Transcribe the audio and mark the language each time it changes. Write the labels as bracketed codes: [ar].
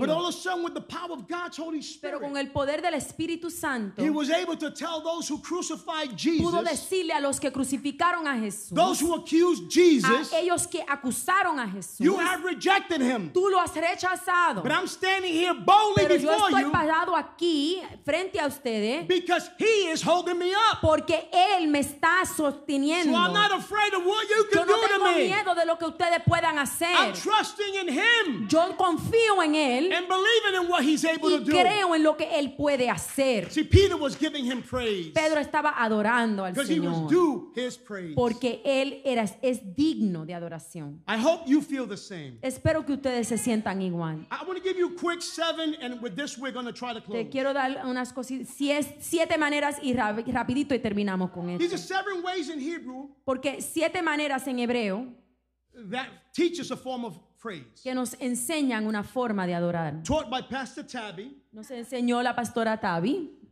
[en] But all of a sudden, with the power of God's Holy Spirit. [es] Pero con el poder del Espíritu Santo. [en] He was able to tell those who crucified Jesus. [es] Pudo decirle a los que crucificaron a Jesús. [en] Those who accused Jesus. [es] A ellos que acusaron a Jesús. [en] You have rejected him. [es] Tú lo has rechazado. [en] But I'm standing here boldly [es] Pero [en] before you. [es] Pero yo estoy parado aquí frente a ustedes. [en] Because he is holding me up. [es] Porque él me está sosteniendo. [en] So I'm not afraid of what you can do to me. [es] Yo no tengo miedo de lo que ustedes puedan hacer. [en] I trust. trusting in him. [es] Yo confío en él. [en] And believing in what he's able [es] y [en] to do. [es] Creo en lo que él puede hacer. [en] See, Peter was giving him praise. [es] Pedro estaba adorando al Señor. [en] Because he was due his praise. [es] Porque él era, es digno de adoración. [en] I hope you feel the same. [es] Espero que ustedes se sientan igual. [en] I want to give you quick seven, and with this we're going to try to close. [es] Te quiero dar unas siete maneras y rapidito y terminamos con esto. [en] These are seven ways in Hebrew. [es] Porque siete maneras en hebreo. [en] That teaches a form of praise. [es] Que nos enseñan una forma de adorar. [en] Taught by Pastor Tabby. [es] Nos enseñó la pastora Tabby.